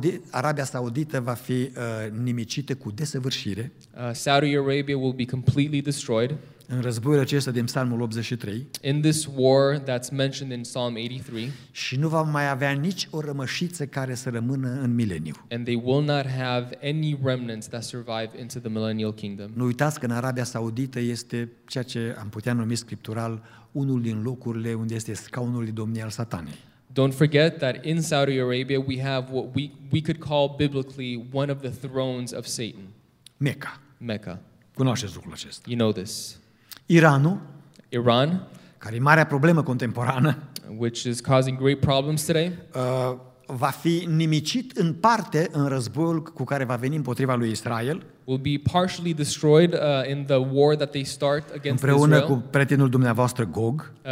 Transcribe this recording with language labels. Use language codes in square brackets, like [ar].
[ro] Arabia Saudită va fi nimicită cu desăvârșire. [en] Saudi Arabia will be completely destroyed. [ro] În războiul acesta din Psalmul 83. [en] In this war that's mentioned in Psalm 83. [ro] Și nu va mai avea nici o rămășiță care să rămână în mileniu. [en] And they will not have any remnants that survive into the millennial kingdom. [ro] Nu uitați că în Arabia Saudită este ceea ce am putea numi scriptural unul din locurile unde este scaunul de domnie al Satanei. [en] Don't forget that in Saudi Arabia we have what we could call biblically one of the thrones of Satan. [ro] Mecca. [en] Mecca. [ro] Cunoașteți lucrul acesta. [en] You know this. [ro] Iranul. [en] Iran. [ro] Care e marea problemă contemporană. [en] Which is causing great problems today. [ro] Va fi nimicit în parte în războiul cu care va veni împotriva lui Israel. [en] Will be partially destroyed in the war that they start against Israel. [ro] Împreună cu prietenul dumneavoastră Gog.